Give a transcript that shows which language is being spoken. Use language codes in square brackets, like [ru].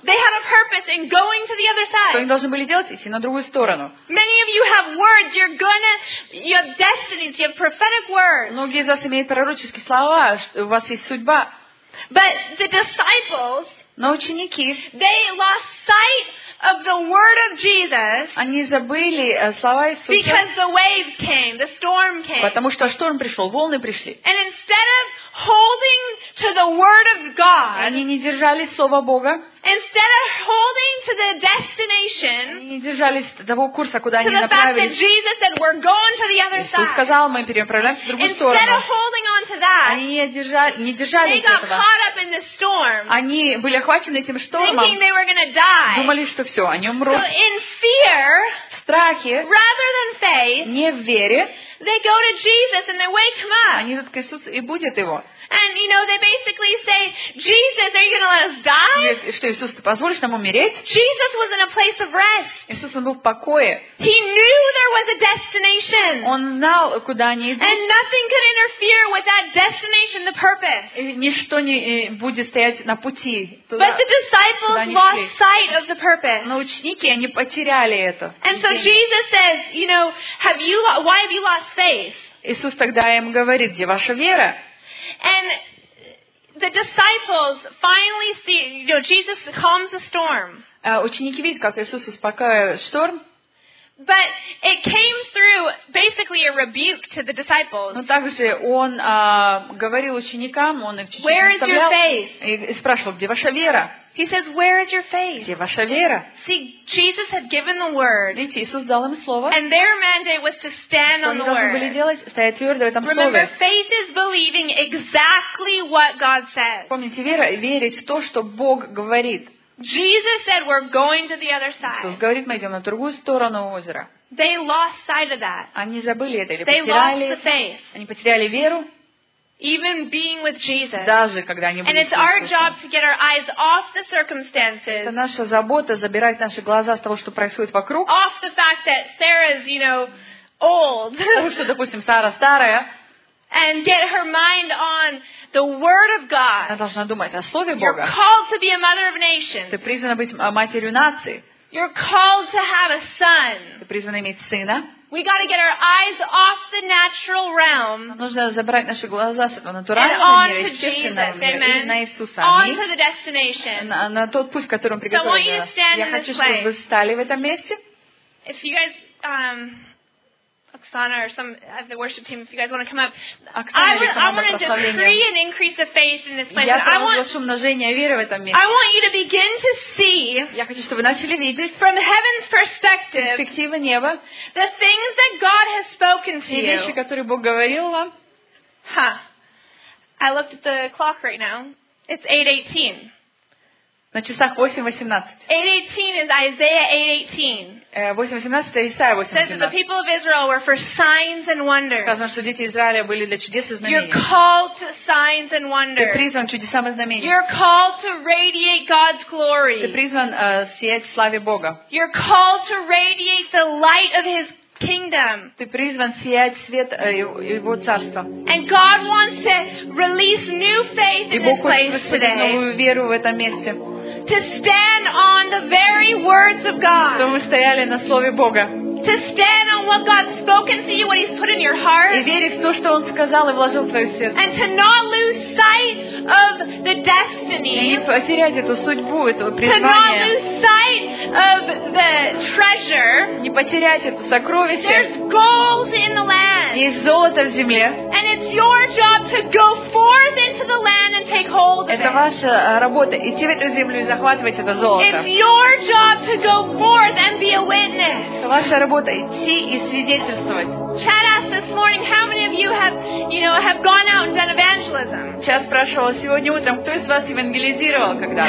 [en] They had a purpose in going to the other side. [ru] Что они должны были делать? Идти на другую сторону. [en] Many of you have words. You're gonna, you have destiny. You have prophetic words. [ru] Многие из вас имеют пророческие слова. У вас есть судьба. [en] But the disciples, [ru] но ученики, [en] they lost sight of the word of Jesus. [ru] Они забыли слова Иисуса. [en] Because the wave came, the storm came. [ru] Потому что шторм пришел, волны пришли. [en] And instead of holding to the word of God, [ru] они не держали слова Бога. [en] Instead of holding to the destination, [ru] они держались того курса, куда они направились. [en] To the fact that Jesus said, "We're going to the other side." [ru] Иисус сказал, мы переправляемся в другую сторону. [en] Instead of holding on to that, [ru] они не держались этого. [en] They got caught up in the storm. [ru] Они были охвачены этим штормом. [en] Thinking they were going to die. [ru] Думали, что все, они умрут. [en] So in fear, [ru] в страхе, [en] rather than faith, [ru] не в вере, [en] they go to Jesus and they wake him up. [ru] Они идут к Иисусу и будят его. [en] And you know they basically say, "Jesus, are you going to let us die?" [ru] Что Иисус, ты позволишь нам умереть? [en] Jesus was in a place of rest. [ru] Иисус, он был в покое. [en] He knew there was a destination. [ru] Он знал, куда они идут. [en] And nothing could interfere with that destination, the purpose. [ru] И ничто не будет стоять на пути туда. [en] But the disciples lost sight of the purpose. [ru] Но ученики, они потеряли это. [en] And so Jesus says, you know, have you, why have you lost faith? [ru] Иисус тогда им говорит, где ваша вера? [en] And the disciples finally see, you know, Jesus calms the storm. [ru] Ученики видят, как Иисус успокаивает шторм. [en] But it came through basically a rebuke to the disciples. [ru] Но также он говорил ученикам, он их спрашивал, где ваша вера? [en] He says, "Where is your faith?" [ru] Где ваша вера? [en] See, Jesus had given the word. [ru] Видите, Иисус дал им слово. [en] And their mandate was to stand on the word. [ru] Что они должны были делать? Стоять твердо в этом слове. [en] Remember, faith is believing exactly what God says. [ru] Помните, вера — верить в то, что Бог говорит. [en] Jesus said, "We're going to the other side." [ru] Иисус говорит, мы идем на другую сторону озера. [en] They lost sight of that. [ru] Они забыли это или [en] they [ru] потеряли. [en] Lost the faith. [ru] Они потеряли веру. [en] Even being with Jesus. [ru] Даже когда они были [en] And it's [ru] Иисусом. [en] Our job to get our eyes off the circumstances. [ru] Это наша забота забирать наши глаза с того, что происходит вокруг. [en] Off the fact that Sarah's, you know, old. [ru] Потому что, допустим, Сара старая. [en] And get her mind on the word of God. [ru] Она должна думать о слове Бога. [en] You're called to be a mother of nations. [ru] Ты призвана быть матерью нации. [en] You're called to have a son. [ru] Ты призвана иметь сына. [en] We got to get our eyes off the natural realm. [ru] Нужно забрать наши глаза с этого натурального мира, естественного мира, и на Иисуса. [en] On to the destination. [ru] На тот путь, который он приготовил. [en] So I want you to stand [ru] Я хочу, чтобы вы встали в этом месте. [en] If you guys, Oksana or some of the worship team, if you guys want to come up, Oksana, I want to decree an increase of faith in this place. I want you to begin to see from heaven's perspective the things that God has spoken to you. [ru] Вещи, которые Бог говорил вам. [en] I looked at the clock right now. It's 8:18. [ru] На часах 8:18. [en] 8:18 is Isaiah 8:18. [ru] 8:18 это Исаия 8:18. [en] Says the people of Israel were for signs and wonders. [ru] Сказано, что дети Израиля были для чудес и знамений. [en] You're called to signs and wonders. [ru] Ты призван чудесам и знамениям. [en] You're called to radiate God's glory. [ru] Ты призван сиять в славе Бога. [en] You're called to radiate the light of His kingdom. [ru] Ты призван сиять свет Его царства. [en] And God wants to release new faith in this place today. [ru] И Бог хочет воскресить новую веру в этом месте. [en] To stand on the very words of God. [ru] Чтобы мы стояли на слове Бога. [en] To stand on what God's spoken to you, what He's put in your heart. [ru] И верить в то, что Он сказал и вложил в твое сердце. [en] And to not lose sight of the destiny. [ru] И не потерять эту судьбу, этого призвания. [en] To not lose sight of the treasure. [ru] Не потерять это сокровище. [en] There's gold in the land. [ru] Есть золото в земле. [en] And it's your job to go forth into the land and take hold of it. [ru] Это ваша работа идти в эту землю и захватывать это золото. [en] It's your job to go forth and be a witness. [ru] Работа идти и свидетельствовать. [en] Chad asked this morning, how many of you have, you know, have gone out and done evangelism? [ru] Chad спрашивал сегодня утром, кто из вас евангелизировал когда-то?